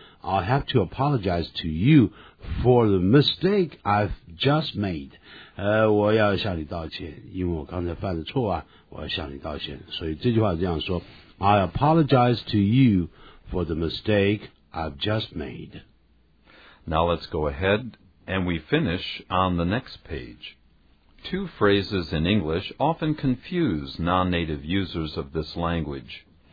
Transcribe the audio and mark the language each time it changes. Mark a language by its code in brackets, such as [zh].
[en] I'll have to apologize to you for the mistake I've just made。 [zh] 我要向你道歉，因为我刚才犯的错啊，我要向你道歉。所以这句话是这样说。 [en] I apologize to you for the mistake I've just made. Now let's go ahead and we finish on the next page. Two phrases in English often confuse non-native users of this language.